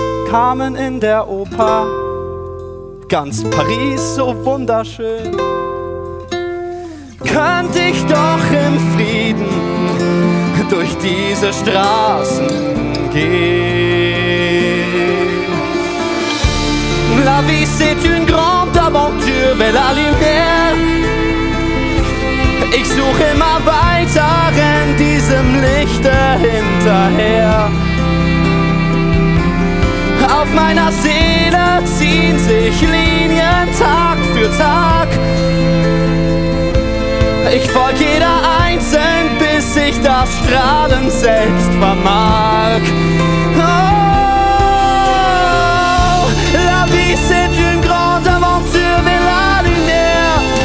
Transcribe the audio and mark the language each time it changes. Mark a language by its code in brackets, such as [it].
[de] Kamen in der Oper, ganz Paris so wunderschön. Könnt ich doch im Frieden durch diese Straßen gehen. [fr] La vie c'est une grande aventure vers la lumière. [de] Ich suche immer weiter in diesem Lichte hinterher. Auf meiner Seele ziehen sich Linien Tag für Tag. Ich folg jeder einzeln, bis ich das Strahlen selbst vermag. [fr] Oh, la vie c'est une grande aventure, mais la lumière.